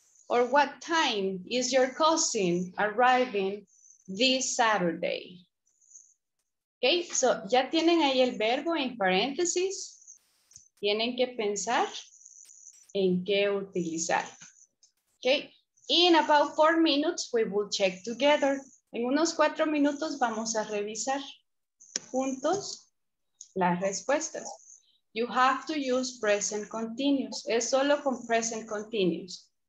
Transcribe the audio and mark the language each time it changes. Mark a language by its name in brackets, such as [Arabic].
[English] Or what time is your cousin arriving this Saturday? Okay, so [Spanish] ya tienen ahí el verbo en paréntesis. Tienen que pensar en qué utilizar. [English] Okay, in about 4 minutes, we will check together. [Spanish] En unos 4 minutos vamos a revisar juntos las respuestas. [English] You have to use present continuous. [Spanish] Es solo con [English] present continuous.